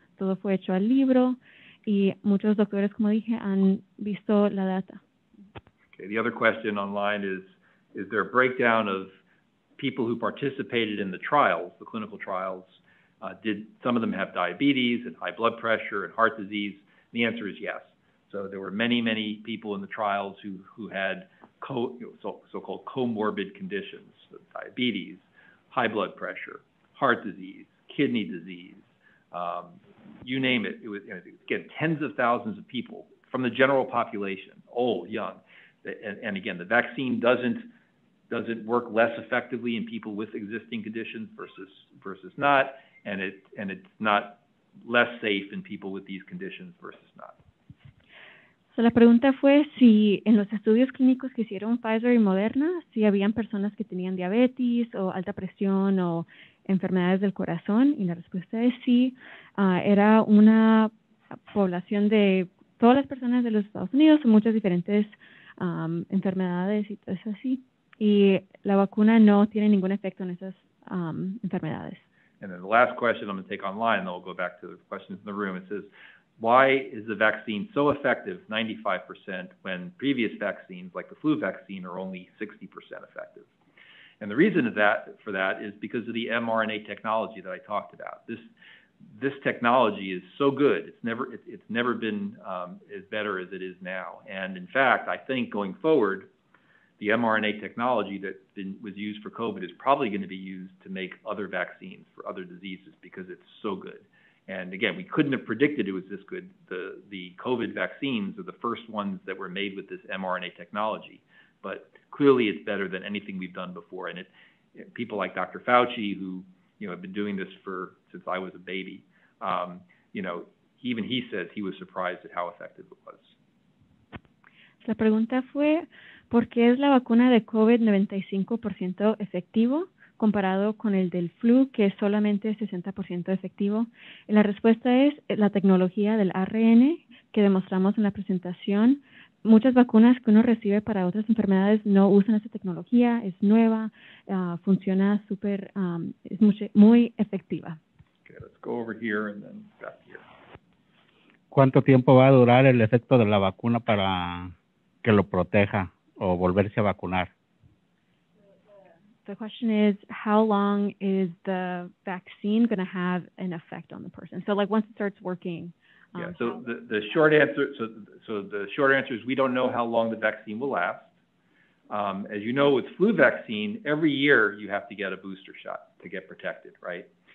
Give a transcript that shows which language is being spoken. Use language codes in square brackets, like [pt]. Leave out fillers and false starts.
[es] Todo fue hecho al libro y muchos doctores, como dije, han visto la data. [en] Okay, the other question online is there a breakdown of people who participated in the trials, the clinical trials? Did some of them have diabetes and high blood pressure and heart disease? And the answer is yes. So there were many, many people in the trials who had so-called comorbid conditions, so diabetes, high blood pressure, heart disease, kidney disease, you name it. It was, you know, again, tens of thousands of people from the general population, old, young. And again, the vaccine doesn't work less effectively in people with existing conditions versus not, and it's not less safe in people with these conditions versus not. [es] So la pregunta fue si en los estudios clínicos que hicieron Pfizer y Moderna, si habían personas que tenían diabetes o alta presión o enfermedades del corazón, y la respuesta es sí. Era una población de todas las personas de los Estados Unidos, muchas diferentes enfermedades y todo eso así, y la vacuna no tiene ningún efecto en esas enfermedades. [en] And then the last question I'm going to take online, then we'll go back to the questions in the room. It says, why is the vaccine so effective, 95%, when previous vaccines, like the flu vaccine, are only 60% effective? And the reason for that is because of the mRNA technology that I talked about. This technology is so good. It's never been as better as it is now. And in fact, I think going forward, the mRNA technology that was used for COVID is probably going to be used to make other vaccines for other diseases because it's so good. And again, we couldn't have predicted it was this good. The COVID vaccines are the first ones that were made with this mRNA technology. But clearly, it's better than anything we've done before. And people like Dr. Fauci, who, you know, have been doing this since I was a baby, you know, even he says he was surprised at how effective it was. [es] La pregunta fue, ¿por qué es la vacuna de COVID 95% efectivo comparado con el del flu, que es solamente 60% efectivo? Y la respuesta es la tecnología del ARN que demostramos en la presentación. Muchas vacunas que uno recibe para otras enfermedades no usan esa tecnología, es nueva, funciona súper, es muy efectiva. [en] Okay, let's go over here and then back here. [es] ¿Cuánto tiempo va a durar el efecto de la vacuna para que lo proteja o volverse a vacunar? [en] The question is, how long is the vaccine going to have an effect on the person? So, like, once it starts working. So the short answer is we don't know how long the vaccine will last. As you know, with flu vaccine, every year you have to get a booster shot to get protected, right?